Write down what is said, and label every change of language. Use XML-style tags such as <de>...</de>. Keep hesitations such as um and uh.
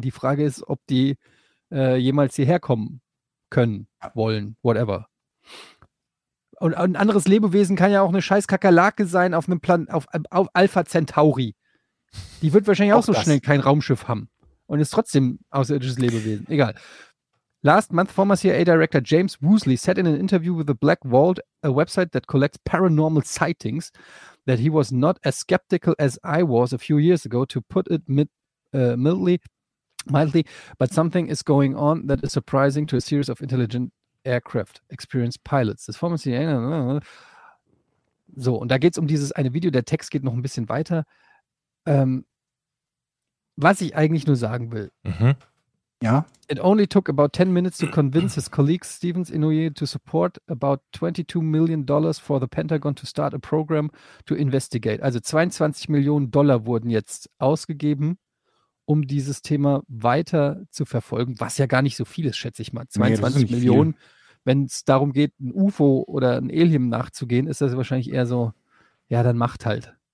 <de>Die Frage ist, ob die äh, jemals hierher kommen können, wollen, whatever und ein anderes Lebewesen kann ja auch eine scheiß Kakerlake sein auf einem Plan auf, auf, Alpha Centauri. Die wird wahrscheinlich auch, auch so das. schnell kein Raumschiff haben und ist trotzdem außerirdisches Lebewesen. Egal.</de> <en>Last month, former CIA Director James Woosley said in an interview with the Black Vault, a website that collects paranormal sightings, that he was not as skeptical as I was a few years ago, to put it uh, mildly, mildly, but something is going on that is surprising to a series of intelligent Aircraft experienced Pilots.</en> <de>Das wollen wir uns nicht erinnern. So, und da geht es um dieses eine Video. Der Text geht noch ein bisschen weiter. Ähm, was ich eigentlich nur sagen will. Mm -hmm. Ja.</de> <en>It only took about 10 minutes to convince mm -hmm. his colleagues Stevens Inouye to support about 22 million dollars for the Pentagon to start a program to investigate.</en> <de>Also 22 Millionen Dollar wurden jetzt ausgegeben, um dieses Thema weiter zu verfolgen, was ja gar nicht so viel ist, schätze ich mal. 22 nee, Millionen. Wenn es darum geht, ein UFO oder ein Alien nachzugehen, ist das wahrscheinlich eher so, ja, dann macht halt.</de>